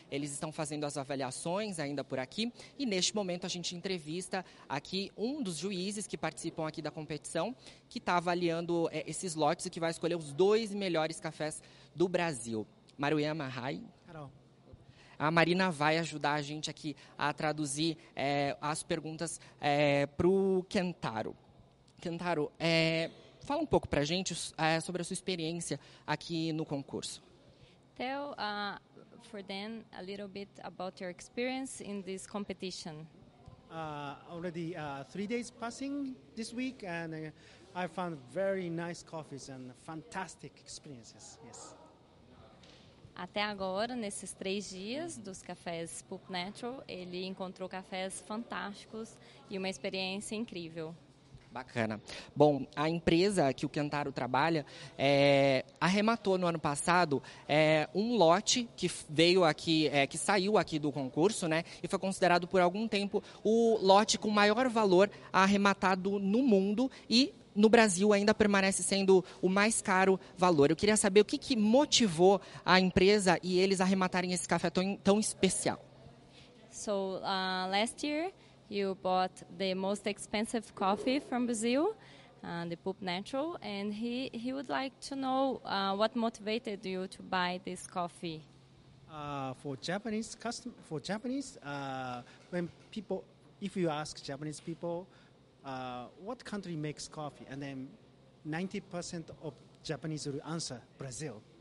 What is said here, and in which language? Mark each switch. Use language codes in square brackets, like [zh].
[pt] Eles estão fazendo as avaliações ainda por aqui. E neste momento a gente entrevista aqui um dos juízes que participam aqui da competição, que está avaliando esses lotes e que vai escolher os dois melhores cafés do Brasil. [en] Maruyama, hi. Carol. [pt] A Marina vai ajudar a gente aqui a traduzir as perguntas para o Kentaro. Kentaro, fala um pouco para a gente sobre a sua experiência aqui no concurso. [en] Tell for them a little bit about your experience in this competition. Already 3 days passing this week, and I found very nice coffees and fantastic experiences. Yes. [pt] Até agora, nesses 3 dias dos cafés Pulp Natural, ele encontrou cafés fantásticos e uma experiência incrível. Bacana. Bom, a empresa que o Kentaro trabalha arrematou no ano passado um lote que veio aqui, que saiu aqui do concurso, né? E foi considerado por algum tempo o lote com maior valor arrematado no mundo e no Brasil ainda permanece sendo o mais caro valor. Eu queria saber o que motivou a empresa e eles arrematarem esse café tão especial. [en] So, last year you bought the most expensive coffee from Brazil, the Pulp Natural, and he would like to know what motivated you to buy this coffee. If you ask Japanese people what country makes coffee, and then 90% of Japanese will answer Brazil.